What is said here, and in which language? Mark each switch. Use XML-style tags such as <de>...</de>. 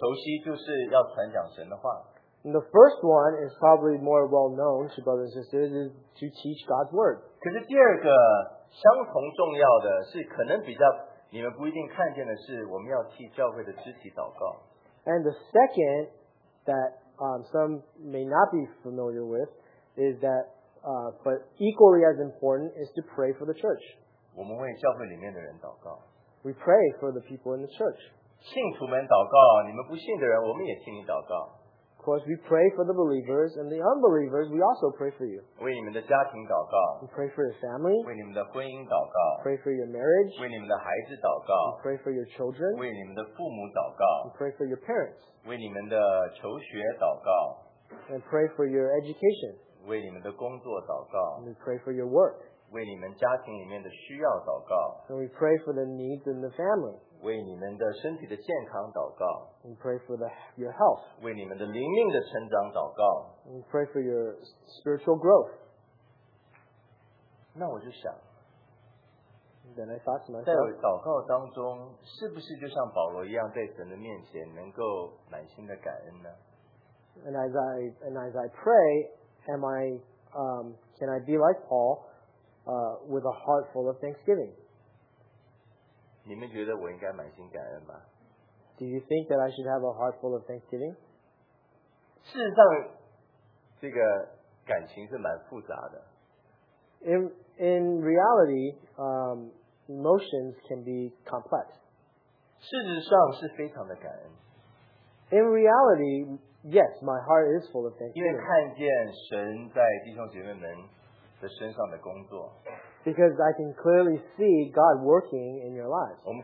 <zh>第一个弟兄姐妹们可能比较熟悉就是要传讲神的话。</zh> <en>And the first one is probably more well known to brothers and sisters is to teach God's word.</en> <zh>可是第二个, 相同重要的是可能比较你们不一定看见的是我们要替教会的肢体祷告。</zh> <en>And the second that some may not be familiar with is that but equally as important is to pray for the church.</en> <zh>我们为教会里面的人祷告。</zh> <en>We pray for the people in the church.</en> <zh>信徒们祷告, 你们不信的人, 我们也替你祷告。</zh> <en>Of course, we pray for the believers and the unbelievers. We also pray for you.</en> <zh>为你们的家庭祷告,</zh> <en>we pray for your family.</en> <zh>为你们的婚姻祷告,</zh> <en>pray for your marriage.</en> <zh>为你们的孩子祷告,</zh> <en>we pray for your children.</en> <zh>为你们的父母祷告,</zh> <en>we pray for your parents.</en> <zh>为你们的求学祷告,</zh> <en>and pray for your education.</en> <zh>为你们的工作祷告,</zh> <en>and we pray for your work.</en> <zh>为你们家庭里面的需要祷告,</zh> <en>and we pray for the needs in the family.</en> <zh>为你们的身体的健康祷告,</zh> <en>and pray for your health.</en> <zh>为你们的灵命的成长祷告,</zh> <en>and pray for your spiritual growth.</en> <zh>那我就想,</zh> <en>then I thought to myself,</en> <zh>在祷告当中, 是不是就像保罗一样, 在神的面前, 能够满心的感恩呢?</zh> <en>And as I pray, can I be like Paul with a heart full of thanksgiving?</en> <zh>你们觉得我应该满心感恩吗?</zh> <en>Do you think that I should have a heart full of thanksgiving?</en> <zh>事实上, 这个感情是蛮复杂的。</zh> <en>In reality, emotions can be complex.</en> <zh>事实上是非常的感恩。</zh> <en>In reality, yes, my heart is full of thanksgiving.</en> <zh>因为看见神在弟兄姐妹们的身上的工作。</zh> <en>Because I can clearly see God working in your lives.</en>